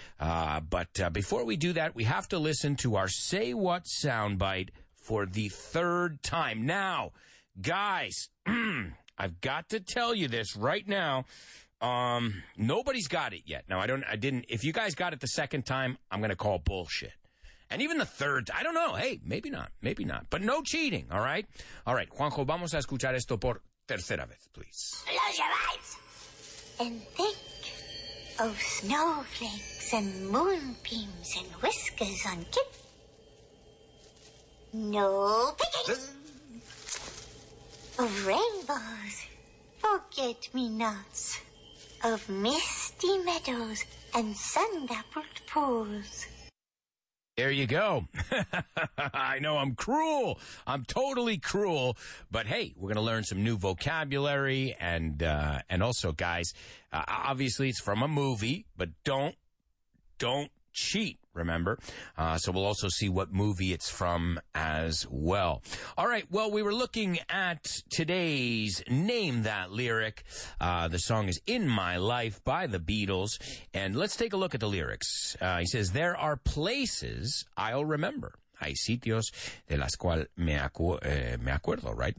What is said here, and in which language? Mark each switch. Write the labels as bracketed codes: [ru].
[en] But before we do that, we have to listen to our Say What soundbite for the third time. Now, guys, I've got to tell you this right now. Nobody's got it yet. Now, if you guys got it the second time, I'm going to call bullshit. And even the third, I don't know. Hey, maybe not. Maybe not. But no cheating, all right? All right, [es] Juanjo, vamos a escuchar esto por tercera vez, please. [en] Close your eyes and think of snowflakes and moonbeams and whiskers on kittens. No picking! Of rainbows, forget-me-nots. Of misty meadows and sun-dappled pools. There you go. I know I'm cruel. I'm totally cruel. But hey, we're going to learn some new vocabulary. And also, guys, obviously it's from a movie, but don't cheat. Remember? So we'll also see what movie it's from as well. All right. Well, we were looking at today's Name That Lyric. The song is In My Life by the Beatles. And let's take a look at the lyrics. He says, there are places I'll remember. [es] Hay sitios de las cuales me acuerdo, right?